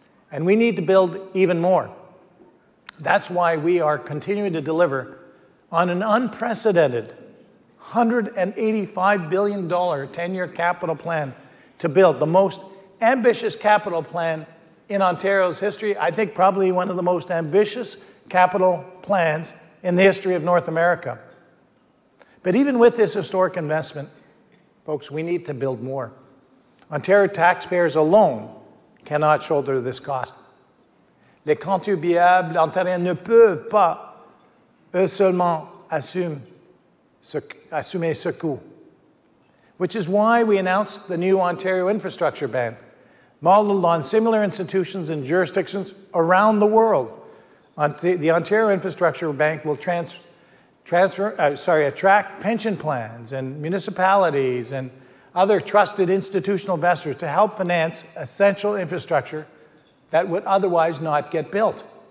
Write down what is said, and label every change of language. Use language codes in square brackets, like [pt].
[en] And we need to build even more. That's why we are continuing to deliver on an unprecedented $185 billion 10-year capital plan to build the most ambitious capital plan in Ontario's history. I think probably one of the most ambitious capital plans in the history of North America. But even with this historic investment, folks, we need to build more. Ontario taxpayers alone cannot shoulder this cost. [fr] Les contribuables ontariens ne peuvent pas eux seulement assumer ce coût. [en] Which is why we announced the new Ontario infrastructure ban, modeled on similar institutions and jurisdictions around the world. The Ontario Infrastructure Bank will attract pension plans and municipalities and other trusted institutional investors to help finance essential infrastructure that would otherwise not get built.